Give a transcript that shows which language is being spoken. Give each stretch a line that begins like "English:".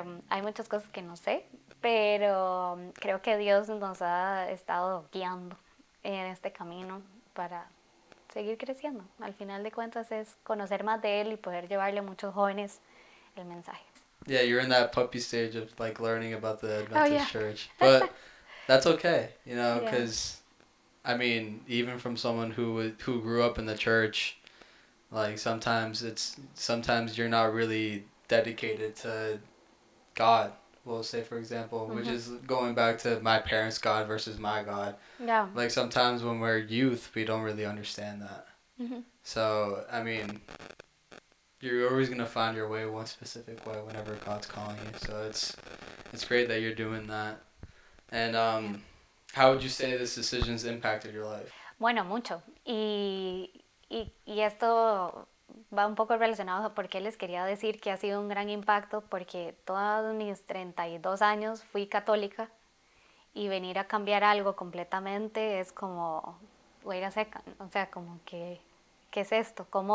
Spanish: Hay muchas cosas que no sé, pero creo que Dios nos ha estado guiando en este camino para seguir creciendo. Al final de cuentas es conocer más de él y poder llevarle a muchos jóvenes el mensaje.
English: Yeah, you're in that puppy stage of like learning about the Oh, Adventist yeah. Church, but that's okay, you know, Yeah. 'cause I mean, even from someone who grew up in the church, like sometimes you're not really dedicated to God. We'll say, for example, which is going back to my parents' God versus my God. Yeah. Like sometimes when we're youth, we don't really understand that. So, I mean, you're always gonna find your way one specific way whenever God's calling you. So it's great that you're doing that. And how would you say this decision's impacted your life?
Spanish: Bueno, mucho. Y esto va un poco relacionado a por qué les quería decir que ha sido un gran impacto, porque todos mis 32 años fui católica y venir a cambiar algo completamente es como, voy a ir a seca, o sea, como que, ¿qué es esto?